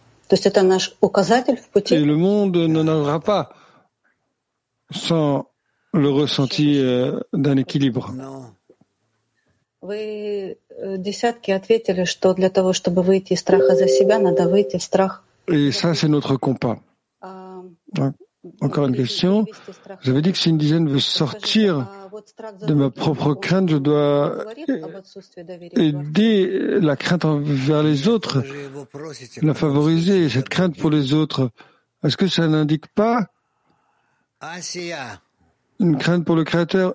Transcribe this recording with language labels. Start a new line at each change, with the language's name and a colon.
French: Et le monde n'en aura pas sans le ressenti d'un équilibre.
Russian: Вы десятки ответили, что для того, чтобы выйти из страха за себя, надо выйти из страха.
French: Et ça, c'est notre compas. Encore une question. J'avais dit que si une dizaine veut sortir de ma propre crainte, je dois aider la crainte envers les autres, la favoriser, cette crainte pour les autres. Est-ce que ça n'indique pas une crainte pour le Créateur?